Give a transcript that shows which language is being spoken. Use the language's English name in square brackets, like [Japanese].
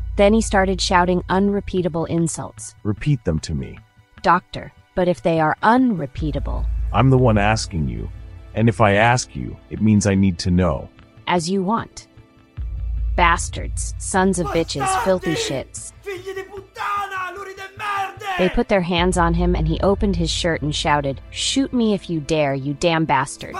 [English] Then he started shouting unrepeatable insults. Repeat them to me. Doctor, but if they are unrepeatable... I'm the one asking you. And if I ask you, it means I need to know. As you want. Bastards, sons of bitches, filthy shits. [Italian] Figli di puttana, luri de merde! [English] They put their hands on him and he opened his shirt and shouted, Shoot me if you dare, you damn bastards.